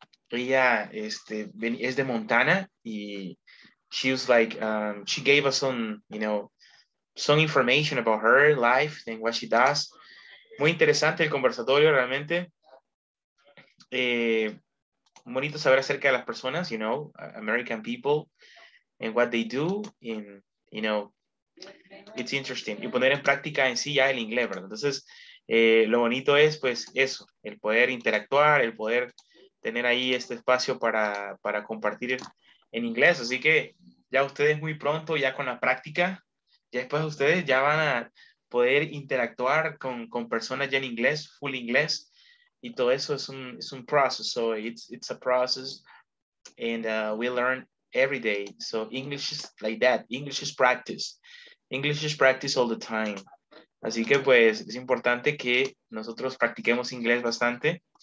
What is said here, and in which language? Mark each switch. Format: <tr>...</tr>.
<es>Ella es de Montana y</es> <en>she was like, she gave us some, you know, some information about her life and what she does.</en> <es>Muy interesante el conversatorio realmente. Bonito saber acerca de las personas,</es> <en>you know, American people, and what they do, and, you know, it's interesting.</en> <es>Y poner en práctica en sí ya el inglés, ¿verdad? Entonces, lo bonito es, pues, eso, el poder interactuar, el poder tener ahí este espacio para compartir en inglés. Así que ya ustedes muy pronto, ya con la práctica, ya después ustedes ya van a poder interactuar con personas ya en inglés, full inglés. Y todo eso es un</es> <en>process, so it's a process, and we learn every day. So English is like that, English is practice all the time.</en> <es>Así que pues es importante que nosotros practiquemos inglés bastante.</es>